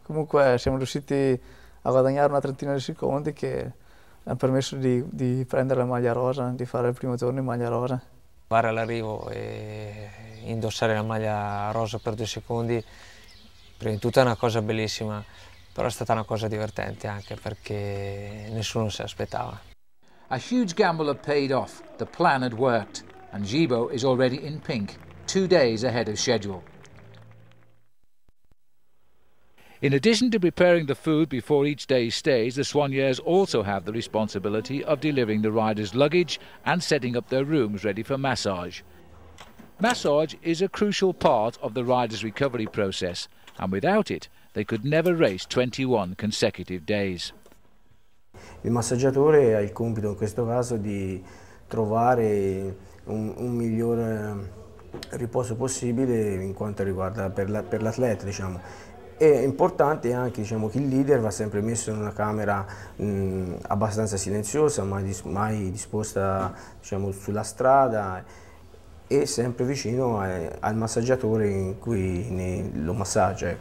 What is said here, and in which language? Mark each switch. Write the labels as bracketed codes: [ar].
[it] Comunque siamo riusciti a guadagnare una trentina di secondi che mi hanno permesso di prendere la maglia rosa, di fare il primo giorno in maglia rosa. Fare all'arrivo e indossare la maglia rosa per 2 secondi, prima di tutto è una cosa bellissima, però è stata una cosa divertente anche perché nessuno si aspettava. [en] A huge gamble had paid off, the plan had worked, and Gibo is already in pink, 2 days ahead of schedule. In addition to preparing the food before each day's stays, the soigneurs also have the responsibility of delivering the riders' luggage and setting up their rooms ready for massage. Massage is a crucial part of the riders' recovery process, and without it, they could never race 21 consecutive days. [it] Il massaggiatore ha il compito in questo caso di trovare un migliore riposo possibile in quanto riguarda per l'atleta, diciamo. È importante anche, diciamo, che il leader va sempre messo in una camera abbastanza silenziosa, mai disposta, diciamo, sulla strada, e sempre vicino al massaggiatore in cui lo massaggia.